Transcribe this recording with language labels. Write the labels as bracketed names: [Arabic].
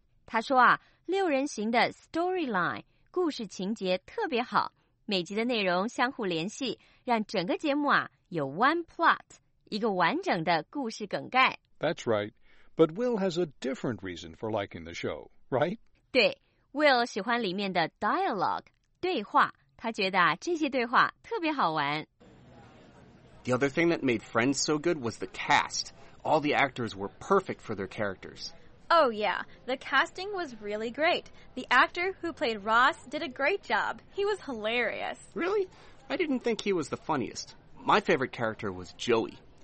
[Chinese] 她说啊，六人行的 storyline, 故事情节特别好，每集的内容相互联系，让整个节目啊，有 one plot, 一个完整的故事梗概。 [English] That's right, but Will has a different reason for liking the show, right? [Chinese] 对， Will 喜欢里面的 dialogue, 对话。他觉得啊，这些对话特别好玩。 [English] The other thing that made Friends so good was the cast. All the actors were perfect for their characters. Oh yeah, the casting was really great. The actor who played Ross did a great job. He was hilarious. Really? I didn't think he was the funniest. My favorite character was Joey.